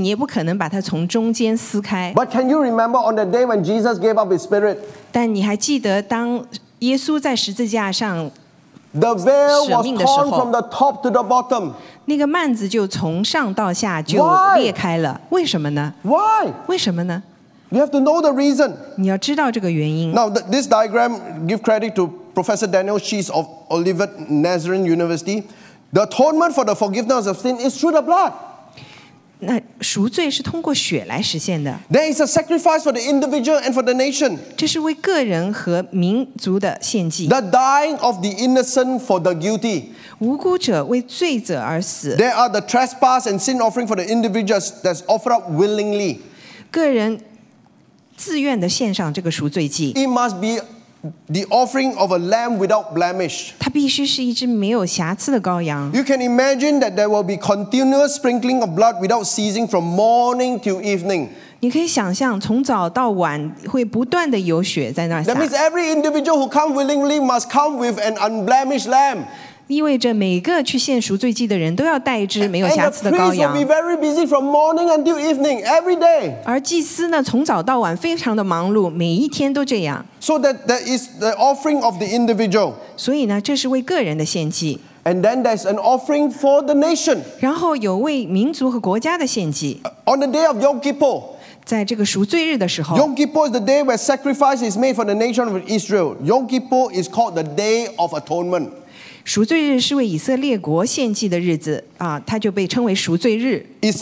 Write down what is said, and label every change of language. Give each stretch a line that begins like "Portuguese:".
Chinese: 要无论花多大的力气，你也不可能把它从中间撕开。
English: But can you remember on the day when Jesus gave up His Spirit?
Chinese: 但你还记得当耶稣在十字架上？
English: The veil was torn from the top to the bottom.
Chinese: 那个幔子就从上到下就裂开了。为什么呢？
English: Why?
Chinese: 为什么呢？
English: You have to know the reason.
Chinese: 你要知道这个原因。
English: Now this diagram give credit to Professor Daniel Sheets of Olivet Nazarene University. The atonement for the forgiveness of sin is through the blood.
Chinese: 那赎罪是通过血来实现的。
English: There is a sacrifice for the individual and for the nation.
Chinese: 这是为个人和民族的献祭。
English: The dying of the innocent for the guilty.
Chinese: 无辜者为罪者而死。
English: There are the trespass and sin offering for the individuals that's offered up willingly.
Chinese: 个人自愿地献上这个赎罪祭。
English: It must be the offering of a lamb without blemish.
Chinese: 它必须是一只没有瑕疵的羔羊。
English: You can imagine that there will be continuous sprinkling of blood without ceasing from morning till evening.
Chinese: 你可以想象，从早到晚会不断的有血在那撒。
English: That means every individual who come willingly must come with an unblemished lamb.
Chinese: 意味着每个去献赎罪祭的人都要带一只没有瑕疵的羔羊。
English: And the priest will be very busy from morning until evening every day.
Chinese: 而祭司呢，从早到晚非常的忙碌，每一天都这样。
English: So that there is the offering of the individual.
Chinese: 所以呢，这是为个人的献祭。
English: And then there's an offering for the nation.
Chinese: 然后有为民族和国家的献祭。
English: On the day of Yom Kippur.
Chinese: 在这个赎罪日的时候。
English: Yom Kippur is the day where sacrifice is made for the nation of Israel. Yom Kippur is called the Day of Atonement.
Chinese: 赎罪日是为以色列国献祭的日子，它就被称为赎罪日。
English: It's